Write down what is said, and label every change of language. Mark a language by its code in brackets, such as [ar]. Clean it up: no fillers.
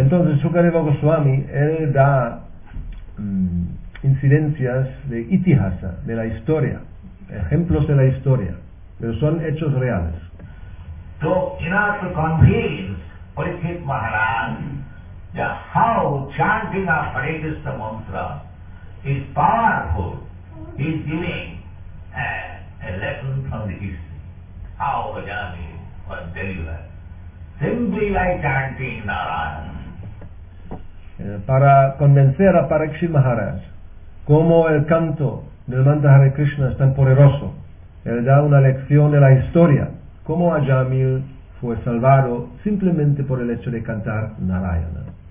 [es] Entonces Shukadeva Goswami, él da incidencias de itihasa, de la historia, ejemplos de la historia, pero son hechos reales. [en] So, in order to convince Parikshit Maharaj that how chanting of Hare Krishna mantra is powerful, he is giving a lesson from the history, how Ajami was delivered, simply like chanting Narayana. [es] Para convencer a Parikshit Maharaj cómo el canto del mantra Hare Krishna es tan poderoso, él da una lección de la historia, cómo Ajamil fue salvado simplemente por el hecho de cantar Narayana.